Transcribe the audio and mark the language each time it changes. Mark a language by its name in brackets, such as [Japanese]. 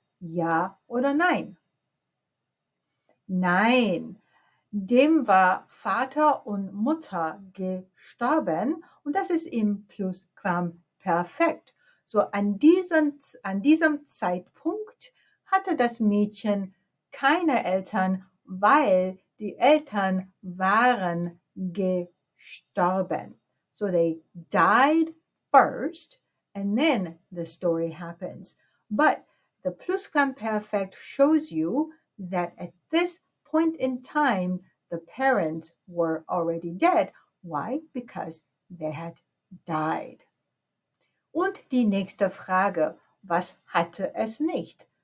[German] Ja oder nein? Nein, dem war Vater und Mutter gestorben und das ist im Plusquamperfekt. So an diesem Zeitpunkt hatte das Mädchen keine Eltern, weil die Eltern waren gestorben. [English] So they died first and then the story happens. But the plusquamperfect shows you that at this point in time, the parents were already dead. Why? Because they had died. [German] Und die nächste Frage, was hatte es nicht?